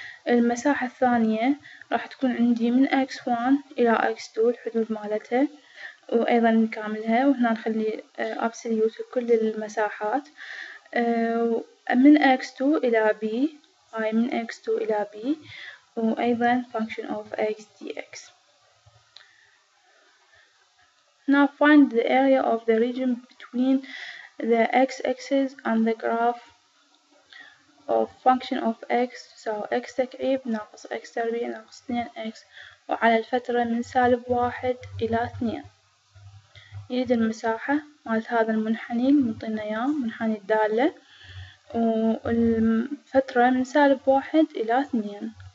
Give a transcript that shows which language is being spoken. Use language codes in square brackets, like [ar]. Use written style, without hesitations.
[ar] المساحة الثانية راح تكون عندي من اكس وان الى اكس تو الحدود مالتها، وايضا نكاملها، وهنا نخلي ابسوليوت لكل المساحات. من اكس تو الى بي، هاي من اكس تو الى بي، وايضا فانكشن اوف اكس دي اكس. [en] Now find the area of the region between the x-axis and the graph of function of x. [ar] So x تكعيب ناقص x تربيع ناقص 2x، وعلى الفترة من سالب 1 إلى 2. يريد المساحة مال هذا المنحني اللي معطينا إياه، منحني الدالة، والفترة من سالب 1 إلى 2.